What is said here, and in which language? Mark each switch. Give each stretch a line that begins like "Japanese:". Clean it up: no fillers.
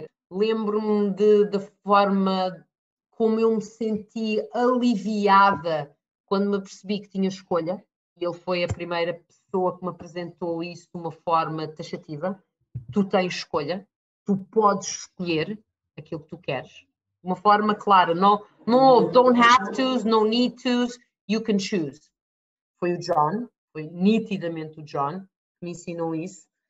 Portuguese: Lembro-me da forma como eu me senti aliviada quando me percebi que tinha escolha. Ele foi a primeira pessoa que me apresentou isso de uma forma taxativa. Tu tens escolha, tu podes escolher aquilo que tu queres. De uma forma clara,
English: no, don't have to's, no need to's, you can choose.
Portuguese: Foi o John, foi nitidamente o John que me ensinou isso.